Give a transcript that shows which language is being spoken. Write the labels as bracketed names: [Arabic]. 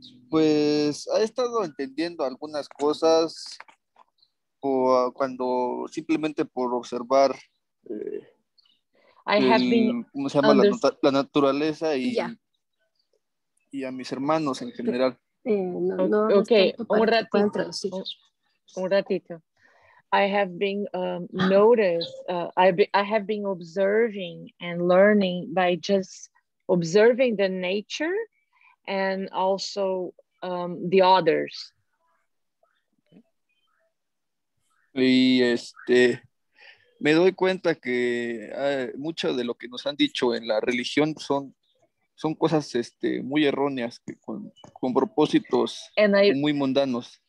[Spanish] Pues he estado entendiendo algunas cosas cuando simplemente por observar. ¿Cómo se llama? La naturaleza y, yeah. Y a mis hermanos en general. Un ratito. [English] I have been I have been observing and learning by just observing the nature and also the others. [Spanish] Y me doy cuenta que mucho de lo que nos han dicho en la religión son cosas muy erróneas, que con propósitos muy mundanos.